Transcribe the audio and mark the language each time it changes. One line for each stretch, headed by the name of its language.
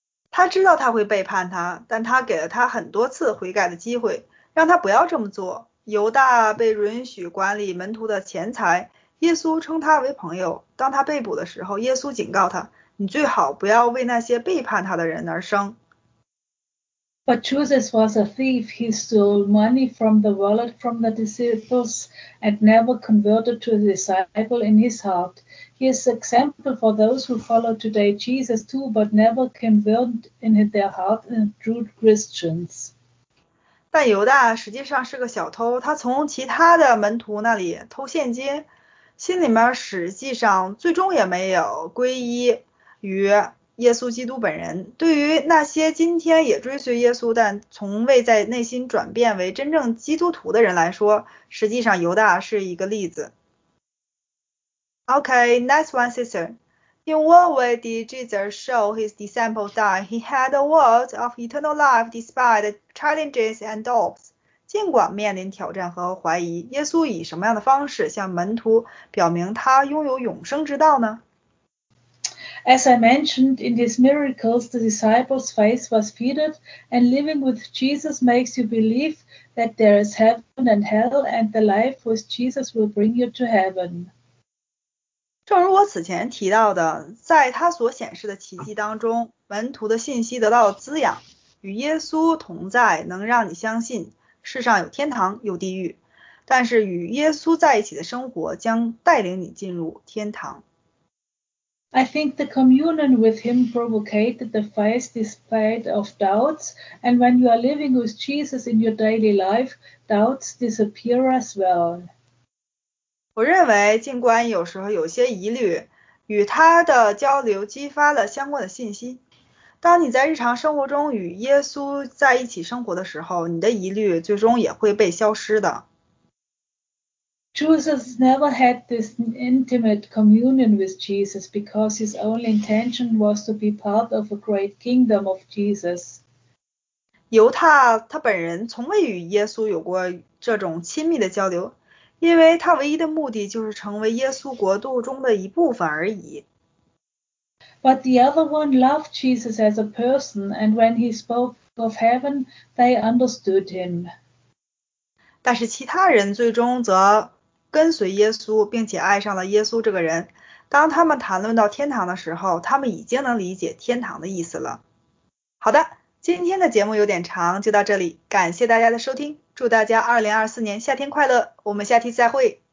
Chinese: 他知道他会背叛他，但他给了他很多次悔改的机会，让他不要这么做。犹大被允许管理门徒的钱财，耶稣称他为朋友。当他被捕的时候，耶稣警告他，你最好不要为那些背叛他的人而生。
English: But Judas was a thief. He stole money from the wallet from the disciples and never converted to a disciple in his heart. He is an example for those who follow today Jesus too, but never converted in their heart and true Christians.
Chinese: 但犹大实际上是个小偷，他从其他的门徒那里偷现金，心里面实际上最终也没有皈依于耶稣基督本人。对于那些今天也追随耶稣但从未在内心转变为真正基督徒的人来说，实际上犹大是一个例子。
English: Okay, next one, sister. In what way did Jesus show his disciples that he had the words of eternal life despite challenges and doubts?
Chinese: 尽管面临挑战和怀疑，耶稣以什么样的方式向门徒表明他拥有永生之道呢？
English: As I mentioned, in his miracles, the disciples' faith was fed, and living with Jesus makes you believe that there is heaven and hell, and the life with Jesus will bring you to heaven.
Chinese: 正如我此前提到的，在他所显示的奇迹当中，门徒的信息得到了滋养。与耶稣同在能让你相信世上有天堂，有地狱，但是与耶稣在一起的生活将带领你进入天堂。
English: I think the communion with him provoked the faith despite of doubts, and when you are living with Jesus in your daily life, doubts disappear as well.
Chinese: 我认为尽管有时候有些疑虑，与他的交流激发了相关的信心。当你在日常生活中与耶稣在一起生活的时候，你的疑虑最终也会被消失的。
English: Jesus never had this intimate communion with Jesus because his only intention was to be part of a great kingdom of Jesus.
Chinese: 犹大他本人从未与耶稣有过这种亲密的交流，因为他唯一的目的就是成为耶稣国度中的一部分而已。
English: But the other one loved Jesus as a person, and when he spoke of heaven, they understood him.
Chinese: 但是其他人最终则跟随耶稣并且爱上了耶稣这个人，当他们谈论到天堂的时候，他们已经能理解天堂的意思了。好的，今天的节目有点长，就到这里，感谢大家的收听，祝大家2024年夏天快乐，我们下期再会。